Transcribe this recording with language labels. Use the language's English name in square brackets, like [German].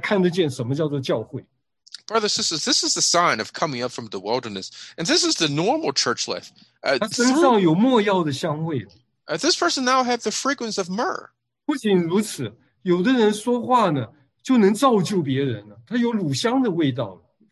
[Chinese] 弟兄姊妹,那真的是从旷野上来了。这是正常的教会生活,从这个里面人才看得见什么叫做教会。 [English] Brothers and sisters, this is the sign of coming up from the wilderness, and this is the normal church life. [Chinese] 他身上有墨药的香味。 [English] This person now has the fragrance of myrrh. [Chinese] 不仅如此, 有的人说话呢, 就能造就别人了, 他有乳香的味道了,